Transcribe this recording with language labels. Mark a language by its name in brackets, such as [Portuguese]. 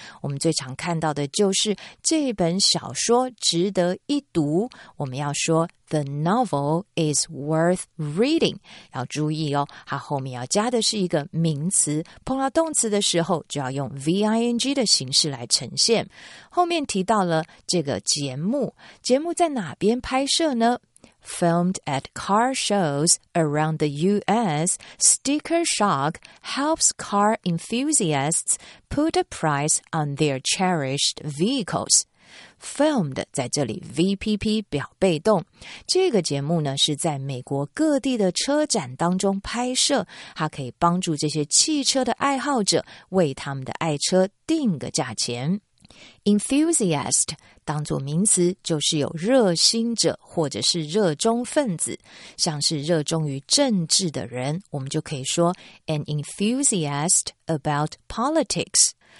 [Chinese] 我们最常看到的就是这本小说值得一读，我们要说 [English] the novel is worth reading。 [Chinese] 要注意哦，它后面要加的是一个名词，碰到动词的时候就要用 ving 的形式来呈现。后面提到了这个节目，节目在哪边拍摄呢？ [English] Filmed at car shows around the U.S., Sticker Shock helps car enthusiasts put a price on their cherished vehicles. [Chinese] Filmed 在这里 VPP 表被动，这个节目呢是在美国各地的车展当中拍摄，它可以帮助这些汽车的爱好者为他们的爱车定个价钱。 Enthusiast 当作名词就是有热心者或者是热衷分子，像是热衷于政治的人，我们就可以说 [English] an enthusiast about politics。